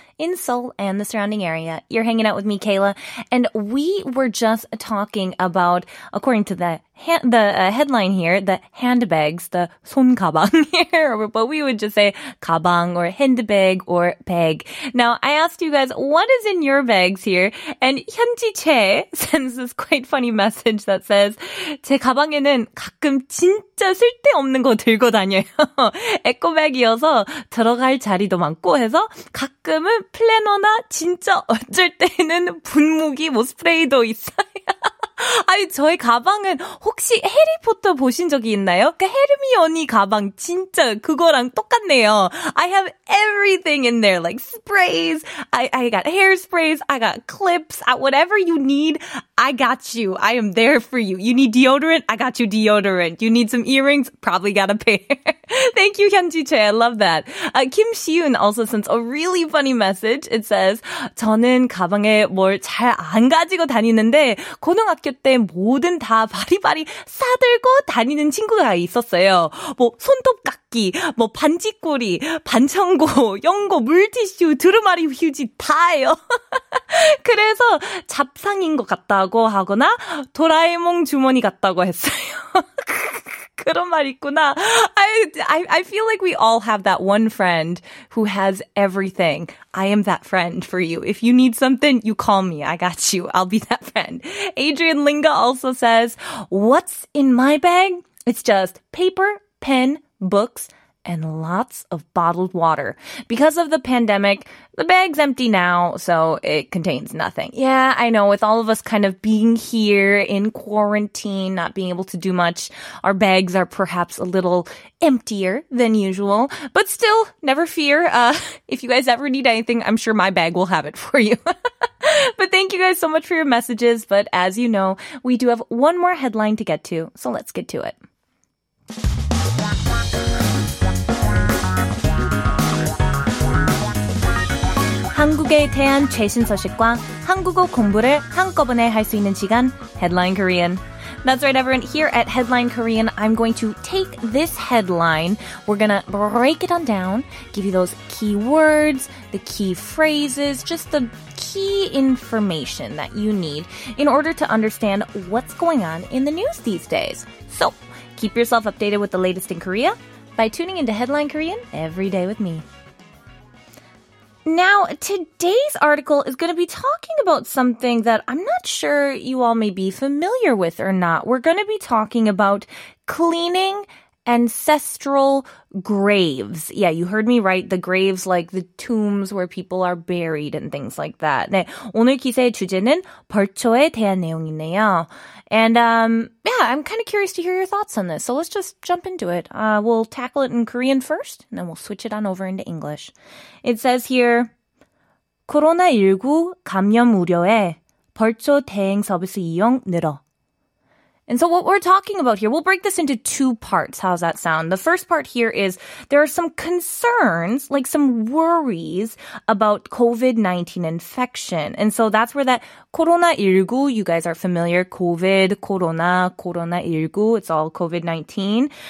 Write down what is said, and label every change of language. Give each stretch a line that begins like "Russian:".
English: in Seoul and the surrounding area. You're hanging out with me, Kayla, and we were just talking about, according to the headline here, the handbags, the 손 가방 here, but we would just say 가방 or handbag or bag. Now, I asked you guys, what is in your bags here? And Hyunji Che sends this quite funny message that says,
Korean: 제 가방에는 가끔 진짜 쓸데없는 거 들고 다녀요. 에코백이어서 들어갈 자리도 많고 해서 가끔은 플래너나 진짜 어쩔 때는 분무기 뭐 스프레이도 있어요. 아니, 저의 가방은 혹시 해리포터 보신 적이 있나요? 그 헤르미오니 가방 진짜 그거랑 똑같네요.
English: I have everything in there, like sprays, I got hairsprays, I got clips, whatever you need, I got you. I am there for you. You need deodorant? I got you deodorant. You need some earrings? Probably got a pair. Thank you, Hyunji Che. I love that. Kim Siyun also sends a really funny message. It says,
Korean: 저는 가방에 뭘 잘 안 가지고 다니는데 고등학교 때 뭐든 다 바리바리 싸들고 다니는 친구가 있었어요. 뭐 손톱깎이, 뭐 반지꼬리, 반창고, 연고, 물티슈, 두루마리 휴지 다예요. 그래서 잡상인 것 같다고 하거나 도라에몽 주머니 같다고 했어요. 그런 말 있구나.
English: I feel like we all have that one friend who has everything. I am that friend for you. If you need something, you call me. I got you. I'll be that friend. Adrian Linga also says, what's in my bag? It's just paper, pen, books, and lots of bottled water. Because of the pandemic, the bag's empty now, so it contains nothing. Yeah, I know, with all of us kind of being here in quarantine, not being able to do much, our bags are perhaps a little emptier than usual. But still, never fear. If you guys ever need anything, I'm sure my bag will have it for you. But thank you guys so much for your messages. But as you know, we do have one more headline to get to, so let's get to it.
Korean: Hanguk에 대한 최신 소식과 한국어 공부를 한꺼번에 할 수 있는 시간, Headline Korean.
English: That's right, everyone. Here at Headline Korean, I'm going to take this headline. We're going to break it on down, give you those key words, the key phrases, just the key information that you need in order to understand what's going on in the news these days. So, keep yourself updated with the latest in Korea by tuning into Headline Korean every day with me. Now, today's article is going to be talking about something that I'm not sure you all may be familiar with or not. We're going to be talking about cleaning ancestral graves. Yeah, you heard me right. The graves, like the tombs where people are buried and things like that.
Korean: 네, 오늘 기사의 주제는 벌초에 대한 내용이네요.
English: And yeah, I'm kind of curious to hear your thoughts on this. So let's just jump into it. We'll tackle it in Korean first, and then we'll switch it on over into English. It says here,
Korean: 코로나19 감염 우려에 벌초 대행 서비스 이용 늘어.
English: And so what we're talking about here, we'll break this into two parts. How's that sound? The first part here is there are some concerns, like some worries about COVID-19 infection. And so that's where that Corona 19, you guys are familiar, COVID, Corona, Corona 19, it's all COVID-19.